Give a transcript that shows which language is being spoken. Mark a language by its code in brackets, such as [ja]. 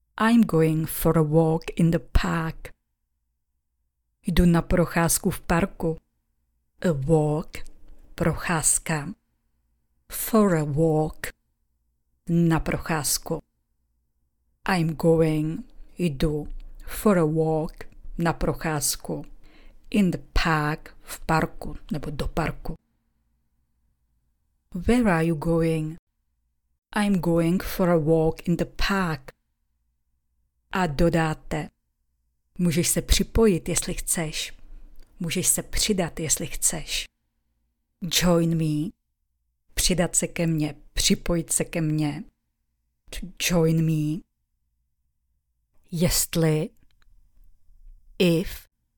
[en] I'm going for a walk in the park. [cs] Jdu na procházku v parku. [en] A walk, [cs] procházka. [en] For a walk, [cs] na procházku. [en] I'm going, [cs] jdu, [en] for a walk, [cs] na procházku. [en] In the park, [cs] v parku, nebo do parku. [en] Where are you going? I'm going for a walk in the park. [cs] A dodáte. Můžeš se připojit, jestli chceš. Můžeš se přidat, jestli chceš. [en] Join me. [cs] Přidat se ke mně, připojit se ke mně. [en] Join me. [cs] Jestli. [en] If.